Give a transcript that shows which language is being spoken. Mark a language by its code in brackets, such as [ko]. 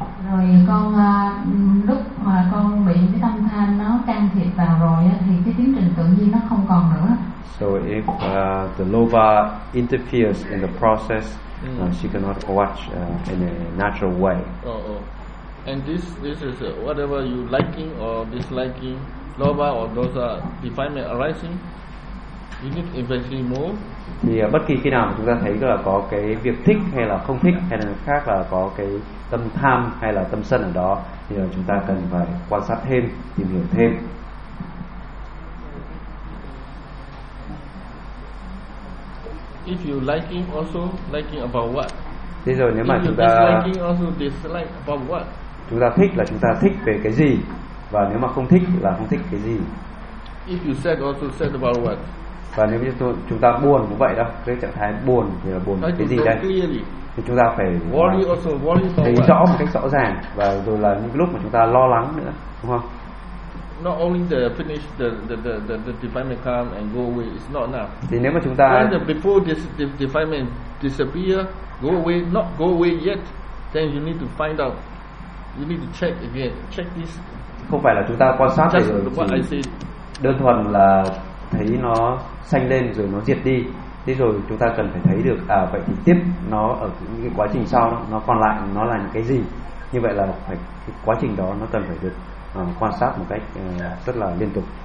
[vi] Rồi con lúc mà con bị cái tâm tham nó can thiệp vào rồi thì cái tiến trình tự nhiên nó không còn nữa. [en] So if the lova interferes in the process, she cannot watch in a natural way. And this is whatever you liking or disliking, lova or dosa, defilement arising, you need eventually move. [vi] Thì bất kỳ khi nào chúng ta thấy là có cái việc thích hay là không thích, hay là khác là có cái tâm tham hay là tâm sân ở đó, thì chúng ta cần phải quan sát thêm, tìm hiểu thêm. [en] If you liking also, liking about what? [vi] Thế rồi nếu mà chúng ta [en] disliking also, dislike about what? [vi] Chúng ta thích là chúng ta thích về cái gì, và nếu mà không thích là không thích cái gì. [en] If you sad also sad about what? [vi] Và nếu như chúng ta buồn cũng vậy đó, cái trạng thái buồn thì là buồn cái gì đây? Thì chúng ta phải [en] worry also, worry [vi] thấy [en] what? [vi] Rõ một cách rõ ràng, và rồi là những lúc mà chúng ta lo lắng nữa, đúng không? [en] Not only the finish the defilement come and go away, it's not enough. [vi] Thì nếu mà chúng ta [en] before this defilement disappear, go away, not go away yet, then you need to find out. You need to check again. Check this. [vi] Không phải là chúng ta quan sát [en] just [vi] để rồi chỉ đơn thuần là thấy nó xanh lên rồi nó diệt đi. Thế rồi chúng ta cần phải thấy được à vậy thì tiếp nó ở những cái quá trình sau nó còn lại nó là những cái gì. Như vậy là phải cái quá trình đó nó cần phải được quan sát một cách rất là liên tục.